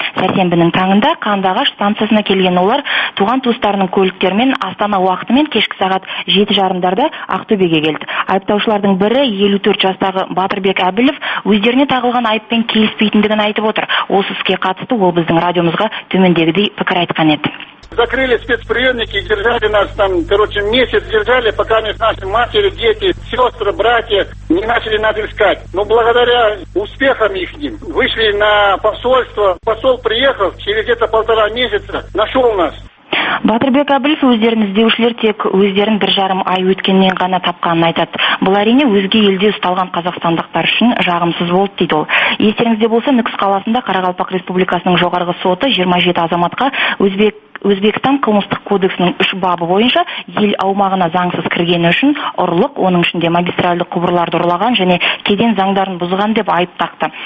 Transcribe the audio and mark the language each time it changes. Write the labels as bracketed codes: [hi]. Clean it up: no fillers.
[kk] Сәрсенбінің таңында Қандағаш станциясына келген олар туған туыстарының көліктерімен Астана уақытымен кешкі сағат 7:30-да Ақтөбеге келді. Айыптаушылардың бірі 54 жастағы Батырбек Әбілов өздеріне тағылған айыппен келіспейтіндігін айтып отыр. Осы іске қатысты ол біздің радиомызға төмендегідей пікір айтқан еді. [ru] Закрыли спецприемники, держали нас там, короче, месяц держали, пока наши матери, дети, сестры, братья не начали нас искать. Но благодаря успехам их вышли на посольство. Посол приехал, через где-то полтора месяца нашел нас. [kk] Батырбек Әбілов өздерін іздеушілер тек өздерін 1.5 ай өткеннен ғана тапқанын айтады. Бұл әрине өзге елде ұсталған қазақстандықтар үшін жағымсыз болды дейді ол. Естеріңізде болса, Нүкіс қаласында Қарақалпақ Республикасының жоғарғы соты 27 азаматқа Өзбекстан қылмыстық кодексінің 3 бабы бойынша ел аумағына заңсыз кіргені үшін ұрлық, оның ішінде магистральдік құбырларды ұрлаған және кеден заңдарын бұзған деп айып тақты.